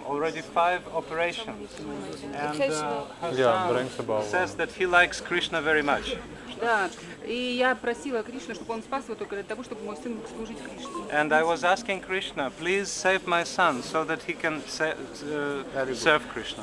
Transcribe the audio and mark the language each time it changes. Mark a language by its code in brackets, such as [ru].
[en] Already 5 operations, and her son says that he likes Krishna very much. [ru] И я просила Кришну, чтобы он спас его только для того, чтобы мой сын мог служить Кришне. [en] And I was asking Krishna, please save my son, so that he can serve Krishna.